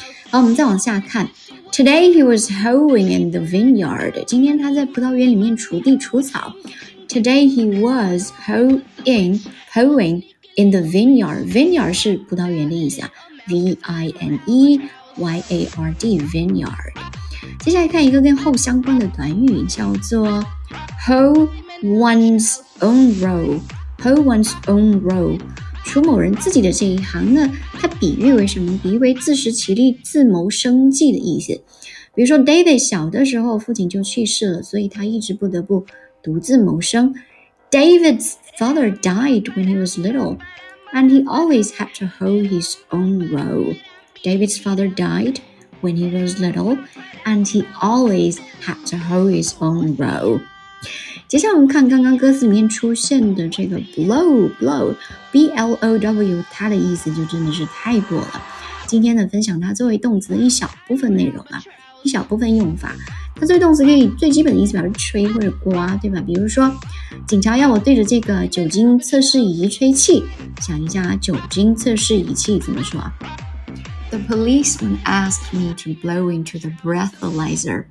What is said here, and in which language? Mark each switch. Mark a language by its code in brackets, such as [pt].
[zh] 好我们再往下看 [en] Today he was hoeing in the vineyard [zh] 今天他在葡萄园里面锄地除草 [en] Today he was hoeing in the vineyard [zh] Vineyard 是葡萄园的意思、啊、V-I-N-E-Y-A-R-D Vineyard接下来看一个跟 hoe 相关的短语，叫做 hoe one's own row。 hoe one's own row， 除某人自己的这一行呢，它比喻为什么？比喻为自食其力、自谋生计的意思。比如说 ，David 小的时候父亲就去世了，所以他一直不得不独自谋生。 [en] David's father died when he was little, and he always had to hoe his own row. David's father died. When he was little, and he always had to hoe his own row. [zh] 接下来我们看刚刚歌词里面出现的这个 blow,B-L-O-W, 它的意思就真的是太多了。今天呢分享它作为动词的一小部分内容啊，一小部分用法。它作为动词可以最基本的意思表示吹或者刮，对吧？比如说警察要我对着这个酒精测试仪吹气，想一下酒精测试仪器怎么说。 [en] The policeman asked me to blow into the breathalyzer.